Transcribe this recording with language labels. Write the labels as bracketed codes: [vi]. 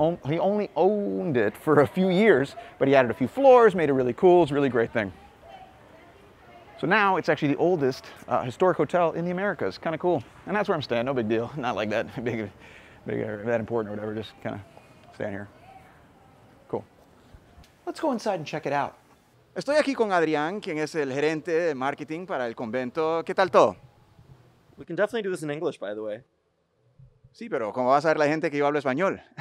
[en] He only owned it for a few years, but he added a few floors, made it really cool, it's a really great thing. So now it's actually the oldest historic hotel in the Americas, kind of cool. And that's where I'm staying, no big deal. Not like that big or that important or whatever, just kind of staying here. Let's go inside and check it out. [es] Estoy aquí con Adrián, quien es el gerente de marketing para el convento. ¿Qué tal todo? [en] We can definitely do this in English, by the way. [es] Sí, pero ¿cómo vas a ver la gente que yo hablo español?